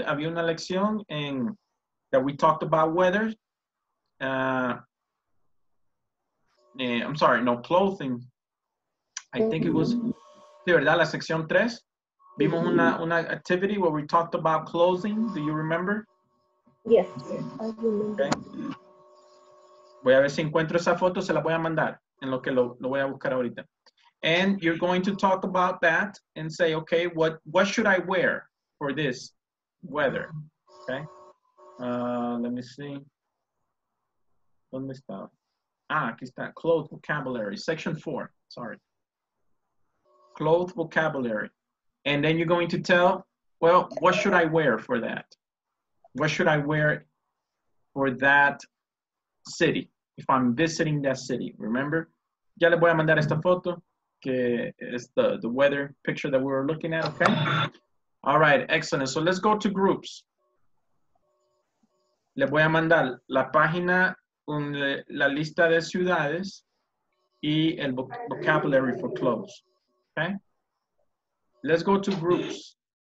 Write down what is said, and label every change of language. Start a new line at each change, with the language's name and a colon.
Spanish: Había una lección en,
English: that we talked about weather. I'm sorry, no, clothing. I think it was,
Spanish: de verdad, la sección tres. Vimos una
English: activity where we talked about clothing. Do you remember? Yes. Okay.
Spanish: Voy a ver si encuentro esa foto, se la voy a mandar en lo que lo voy a buscar ahorita.
English: And you're going to talk about that and say, okay, what should I wear for this weather? Okay. Let me see.
Spanish: ¿Dónde está? Ah, aquí está.
English: Clothes vocabulary. Section 4. Sorry. Clothes vocabulary. And then you're going to tell, well, what should I wear for that? What should I wear for that city? If I'm visiting that city, remember?
Spanish: Ya le voy a mandar esta foto, que es
English: the weather picture that we were looking at, okay? All right, excellent. So let's go to groups.
Spanish: Le voy a mandar la página, la lista de ciudades y el
English: vocabulary for clothes, okay? Let's go to groups.